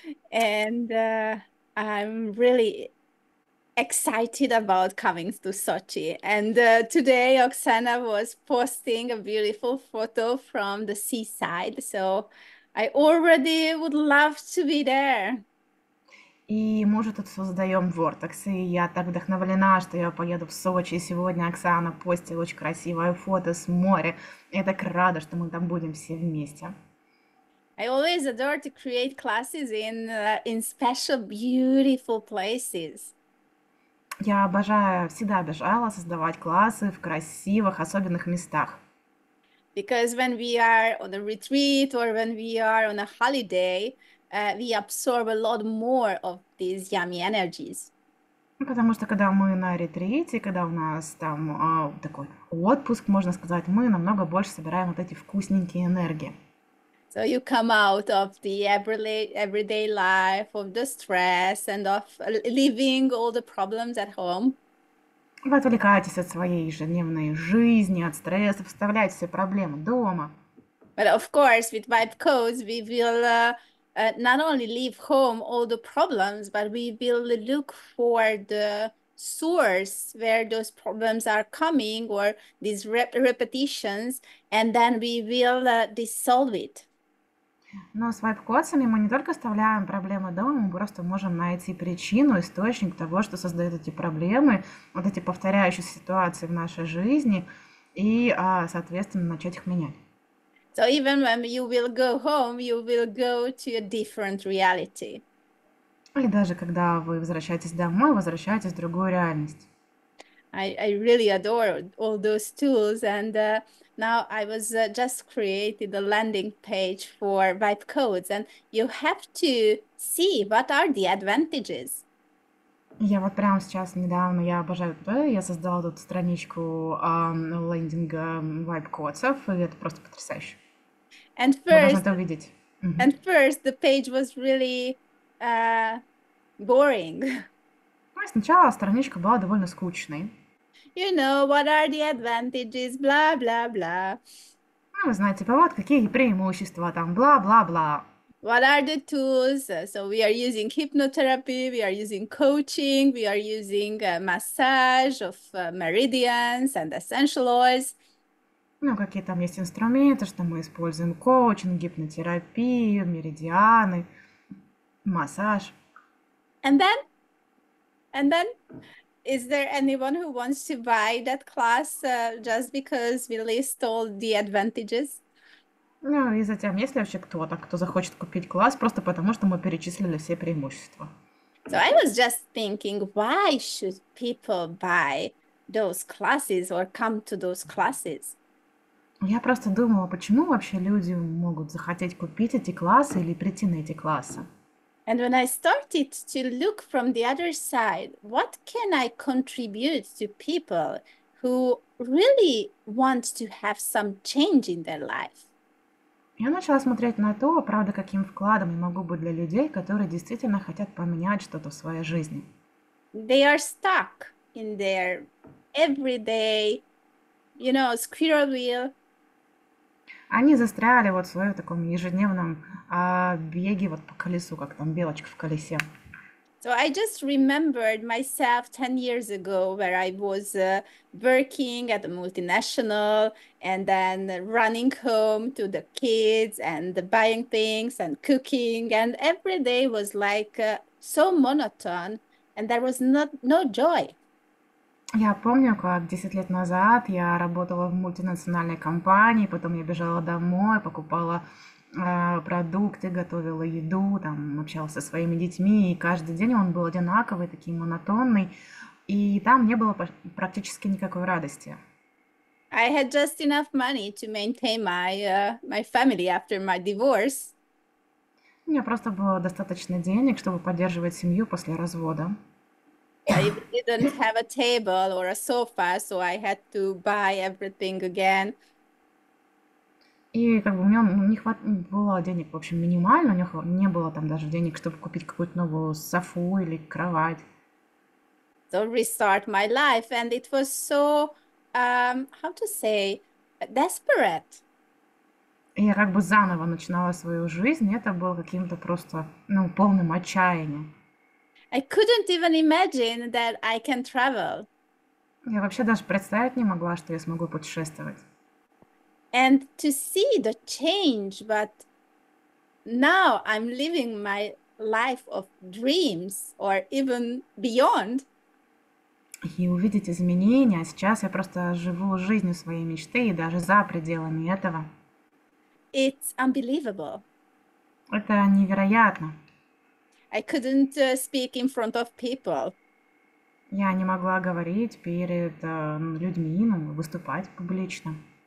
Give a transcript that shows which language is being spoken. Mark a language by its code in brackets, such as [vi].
[en] And I'm really excited about coming to Sochi. And today, Oksana was posting a beautiful photo from the seaside. So I already would love to be there. [ru] И мы же тут создаем вортекс, и я так вдохновлена, что я поеду в Сочи. Сегодня Оксана постила очень красивое фото с моря. Я так рада, что мы там будем все вместе. [en] I always adore to create classes in special beautiful places. [ru] Я обожаю, всегда обожала создавать классы в красивых, особенных местах. [en] Because when we are on a retreat or when we are on a holiday, we absorb a lot more of these yummy energies. [ru] Потому что когда мы на ретрите, когда у нас там такой отпуск, можно сказать, мы намного больше собираем вот эти вкусненькие энергии. [en] So you come out of the everyday life, of the stress, and of leaving all the problems at home. [ru] Вы отвлекаетесь от своей ежедневной жизни, от стресса, вставляете все проблемы дома. [en] But of course, with vibe codes, we will not only leave home all the problems, but we will look for the source where those problems are coming or these repetitions, and then we will dissolve it. [ru] Но с вайб-кодсами мы не только вставляем проблемы дома, мы просто можем найти причину, источник того, что создает эти проблемы, вот эти повторяющиеся ситуации в нашей жизни, и, соответственно, начать их менять. [en] So even when you will go home, you will go to a different reality. [ru] И даже когда вы возвращаетесь домой, возвращаетесь в другую реальность. [en] I really adore all those tools, and now I was just created a landing page for vibe codes, and you have to see what are the advantages. [ru] Я вот прямо сейчас недавно, я обожаю ТП, я создала тут страничку лендинга вайб-кодсов, и это просто потрясающе. [en] And [ru] Вы должны [en] first [ru] это увидеть. Ну, [en] the page was really boring. [ru] сначала страничка была довольно скучной. [en] You know, what are the advantages, [ru] бла-бла-бла. Ну, вы знаете, типа, вот какие преимущества там, бла-бла-бла. [en] What are the tools? So we are using hypnotherapy, we are using coaching, we are using massage of meridians and essential oils. [ru] Ну, какие там есть инструменты, что мы используем, коучинг, гипнотерапию, меридианы, массаж. [en] And then, is there anyone who wants to buy that class just because we list all the advantages? [ru] Ну, и затем, есть ли вообще кто-то, кто захочет купить класс, просто потому что мы перечислили все преимущества? [en] So I was just thinking, why should people buy those classes or come to those classes? [ru] Я просто думала, почему вообще люди могут захотеть купить эти классы или прийти на эти классы. [en] And when I started to look from the other side, what can I contribute to people who really want to have some change in their life? [ru] Я начала смотреть на то, правда, каким вкладом я могу быть для людей, которые действительно хотят поменять что-то в своей жизни. [en] They are stuck in their everyday, you know, squirrel wheel. [ru] Они застряли вот в своем таком ежедневном беге вот по колесу, как там белочка в колесе. [en] So I just remembered myself 10 years ago where I was working at a multinational and then running home to the kids and buying things and cooking, and every day was like so monotone, and there was no joy. [ru] Я помню, как 10 лет назад я работала в мультинациональной компании, потом я бежала домой, покупала продукты, готовила еду, там общалась со своими детьми, и каждый день он был одинаковый, такой монотонный, и там не было практически никакой радости. [en] I had just enough money to maintain my family after my divorce. [ru] У меня просто было достаточно денег, чтобы поддерживать семью после развода. [en] We didn't have a table or a sofa, so I had to buy everything again. [ru] И как бы у них было денег, в общем, минимально, у них не было там даже денег, чтобы купить какую-то новую софу или кровать. [en] So restart my life, and it was so, how to say, desperate. [ru] И я как бы заново начинала свою жизнь, и это было каким-то просто, ну, полным отчаянием. [en] I couldn't even imagine that I can travel. [ru] Я вообще даже представить не могла, что я смогу путешествовать. [en] And to see the change, but now I'm living my life of dreams or even beyond. [ru] И увидеть изменения. Сейчас я просто живу жизнью своей мечты и даже за пределами этого. [en] It's unbelievable. [ru] Это невероятно. [en] I couldn't speak in front of people. [ru] Я не могла говорить перед людьми, ну, выступать публично.